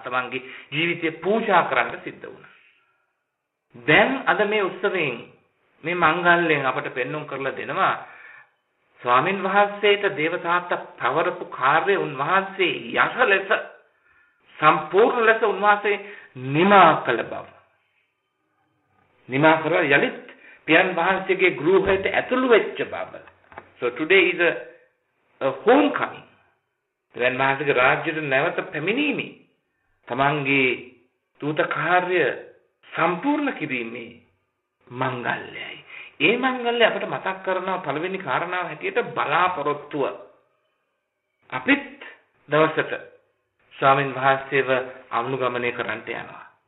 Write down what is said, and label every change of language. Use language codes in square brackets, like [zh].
[si] තමන්ගේ ජීවිතය පූජා කරන්න සිද්ධ වුණා. දැන් අද මේ උත්සවයෙන් මේ මංගල්‍යයෙන් අපට පෙන්නුම් කරලා දෙනවා ස්වාමින් වහන්සේට දේවතාත්ත පවරපු කාර්ය උන්වහන්සේ යස ලෙස සම්පූර්ණ ලෙස උන්වහන්සේ නිමා කළ බව. නිමා කරලා යලිත් පියන් වහන්සේගේ ගෘහයට ඇතුළු වෙච්ච බව. [en] So today is a homecoming. [si] පියන් වහන්සේගේ රාජ්‍යයට නැවත පැමිණීමේ තමන්ගේ දූත කාර්ය සම්පූර්ණ කිරීමේ මංගල්‍යයි. ඒ මංගල්‍ය අපට මතක් කරන පළවෙනි කාරණාව හැටියට බලාපොරොත්තුව. අපිත් දවසට ස්වාමින් වහන්සේව අනුගමනය කරන්නට යනවා.